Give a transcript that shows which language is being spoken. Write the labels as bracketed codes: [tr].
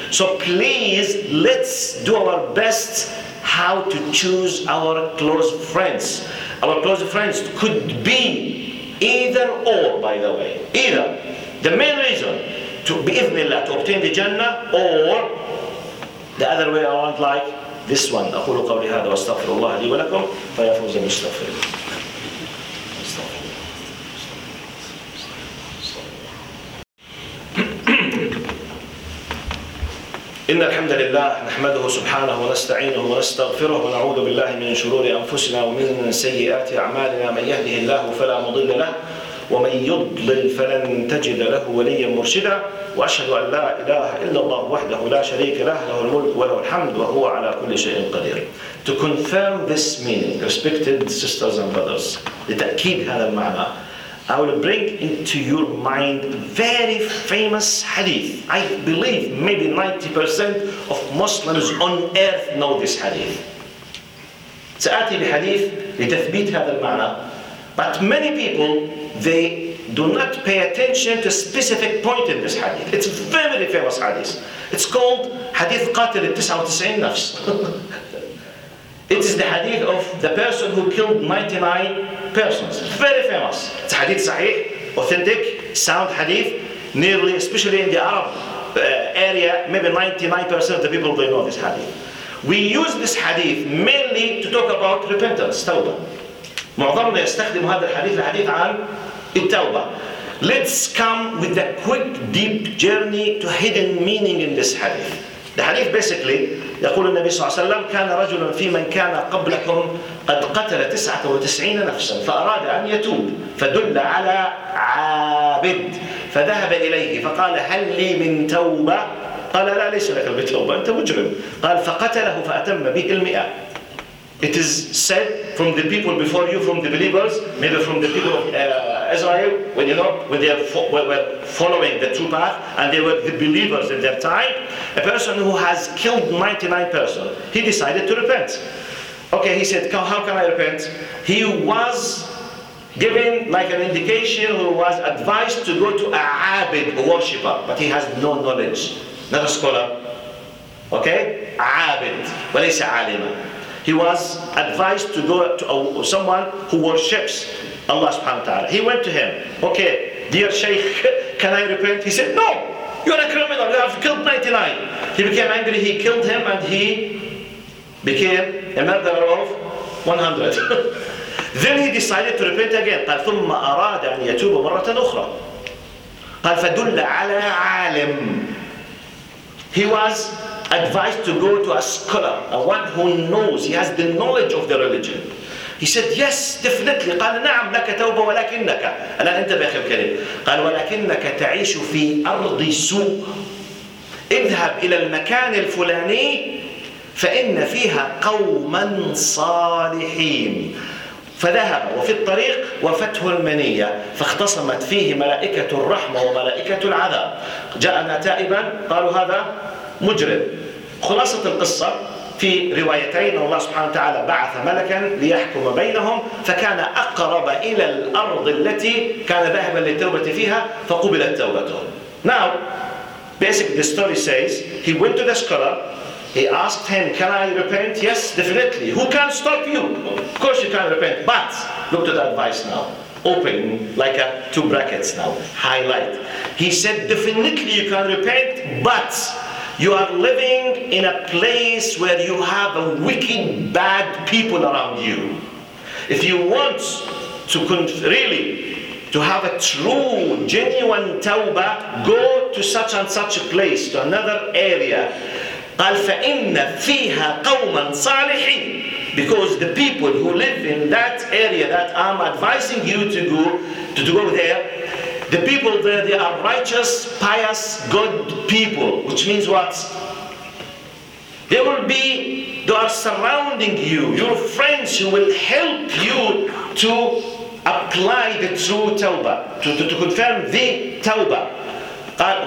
[en] So please, let's do our best how to choose our close friends. Our close friends could be either or, by the way. Either. The main reason to be bi'ithnillah, to obtain the Jannah, or the other way around, like this one. [ar] أقول قولي هذا وأستغفر الله لي ولكم فيفوز المستغفرين. إن الحمد لله نحمده سبحانه ونستعينه ونستغفره ونعوذ بالله من شرور أنفسنا ومن سيئات أعمالنا. من يهده الله فلا مضل له ومن يضلل فلن تجد له وليا مرشدا. وأشهد أن لا إله إلا الله وحده لا شريك له له الملك وله الحمد وهو على كل شيء قدير. [en] To confirm this meaning, respected sisters and brothers, [ar] لتأكيد هذا المعنى, [en] I will bring into your mind very famous hadith. I believe maybe 90% of Muslims on earth know this hadith. [ar] سأتي بحديث لتثبيت هذا المعنى. [en] But many people, they do not pay attention to a specific point in this hadith. It's a very famous hadith. It's called Hadith Qatil al-99 Nafs. It is the hadith of the person who killed 99 persons. Very famous. It's a hadith sahih, authentic, sound hadith. nearly, especially in the Arab area, maybe 99% of the people, they know this hadith. We use this hadith mainly to talk about repentance, tawbah. [ar] معظمنا يستخدم هذا الحديث الحديث عن التوبة. [en] Let's come with a quick deep journey to hidden meaning in this hadith. The hadith basically [ar] يقول النبي صلى الله عليه وسلم كان رجلا في من كان قبلكم قد قتل 99 نفسا فأراد أن يتوب فدل على عابد فذهب إليه فقال هل لي من توبة؟ قال لا ليس لك بتوبة أنت مجرم. قال فقتله فأتم به 100. [en] It is said from the people before you, from the believers, maybe from the people of Israel, when you know, when they were following the true path, and they were the believers in their time, a person who has killed 99 persons, he decided to repent. Okay, he said, how can I repent? He was given like an indication, who was advised to go to a abid, a worshiper, but he has no knowledge, not a scholar. Okay, abid, but he's a alim. He was advised to go to someone who worships Allah subhanahu wa ta'ala. He went to him. Okay, dear Shaykh, can I repent? He said, no, you're a criminal, you have killed 99. He became angry, he killed him, and he became a murderer of 100. Then he decided to repent again. [ar] قَالْ ثُمَّ أَرَادَ أَنْ يَتُوبَ مَرَّةً أُخْرَى قَالْ فَدُلَّ عَلَى عَالِمٍ. [en] He was advised to go to a scholar, a one who knows, he has the knowledge of the religion. He said, yes, definitely. [ar] قال نعم لك توبة ولكنك. الآن انتبه يا أخي الكريم. قال ولكنك تعيش في أرض سوء. اذهب إلى المكان الفلاني فإن فيها قوما صالحين. فذهب وفي الطريق وفته المنية فاختصمت فيه ملائكة الرحمة وملائكة العذاب. جاءنا تائبا قالوا هذا مجرم. خلاصة القصة في روايتين الله سبحانه وتعالى بعث ملكا ليحكم بينهم فكان أقرب إلى الأرض التي كان ذاهبا للتوبة فيها فقبلت توبته. [en] Now basically the story says he went to the scholar, he asked him can I repent? Yes definitely. Who can stop you? Of course you can repent, but look to the advice now. Open like a two brackets now, highlight. He said definitely you can repent, but you are living in a place where you have a wicked, bad people around you. If you want to really to have a true, genuine tawbah, go to such and such a place, to another area. [ar] قال فإن فيها قوما صالحين. [en] Because the people who live in that area that I'm advising you to go to go there, the people there, they are righteous, pious, good people, which means what? They will be, they are surrounding you, your friends who will help you to apply the true tawbah, to confirm the tawbah.